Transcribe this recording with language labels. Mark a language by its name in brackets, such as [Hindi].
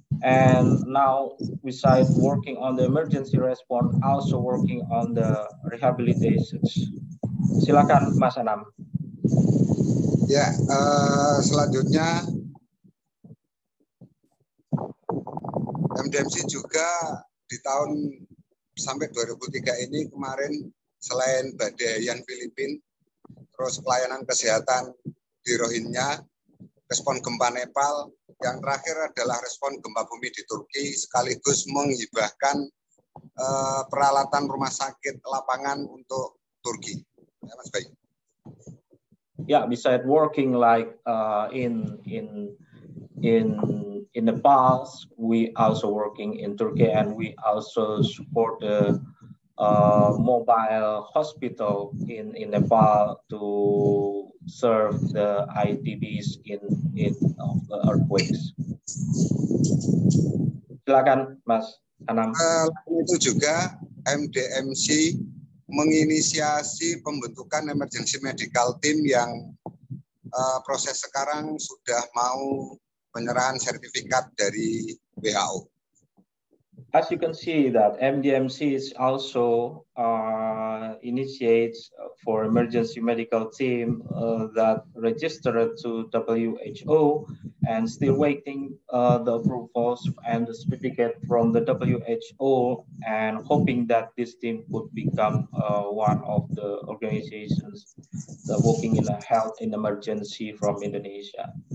[English] And now, besides working on the emergency response, also working on the rehabilitations. [Indonesian] Silakan, Mas Anam. Ya, selanjutnya MDMC juga di tahun sampai 2003 ini kemarin selain badai yang Filipina, terus pelayanan kesehatan di Rohingya, respon gempa Nepal, yang terakhir adalah respon gempa bumi di Turki, sekaligus menghibahkan peralatan rumah sakit lapangan untuk Turki. Ya, Mas Bayu. [English] Yeah, besides working like in Nepal, we also working in Turkey and we also support the mobile hospital in Nepal to serve the ITBs in of the earthquakes. [Indonesian] Silakan, Mas Anam. Itu juga MDMC menginisiasi pembentukan emergency medical team yang proses sekarang sudah mau penyerahan sertifikat dari WHO. [English] As you can see that MDMC is also initiates for emergency medical team that registered to WHO and still waiting the approvals and the certificate from the WHO and hoping that this team would become one of the organizations that working in a health in emergency from Indonesia.